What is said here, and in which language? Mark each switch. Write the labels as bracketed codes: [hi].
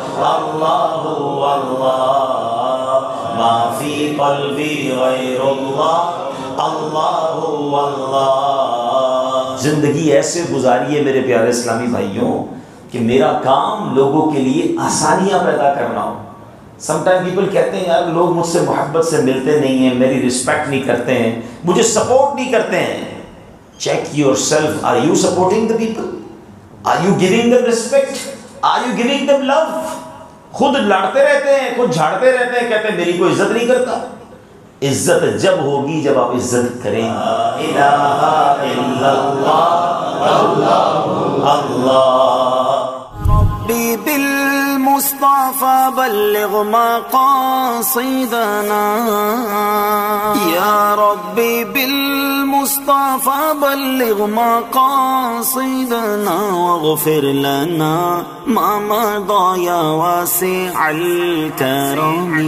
[ar] الله هو الله ما في قلبي غير الله الله هو الله. [ur] زندگی ایسے گزاریے میرے پیارے اسلامی بھائیوں کہ میرا کام لوگوں کے لیے آسانیاں پیدا کرنا ہو. [en] some time people [ur] کہتے ہیں یار لوگ مجھ سے محبت سے ملتے نہیں ہیں, میری ریسپیکٹ نہیں کرتے ہیں, مجھے سپورٹ نہیں کرتے ہیں. [en] Check yourself, are you supporting the people? Are you giving them respect? Are you giving them love? [ur] خود لڑتے رہتے ہیں, خود جھاڑتے رہتے ہیں, کہتے ہیں میری کوئی عزت نہیں کرتا. عزت جب ہوگی جب آپ عزت کریں گے. [ar] لا الہ الا اللہ اللہ اللہ. ربی بالمصطفی بلغ ما قاصدنا, یا ربی بالمصطفی بلغ ما قاصدنا, واغفر لنا ما مضى يا واسع الكرم.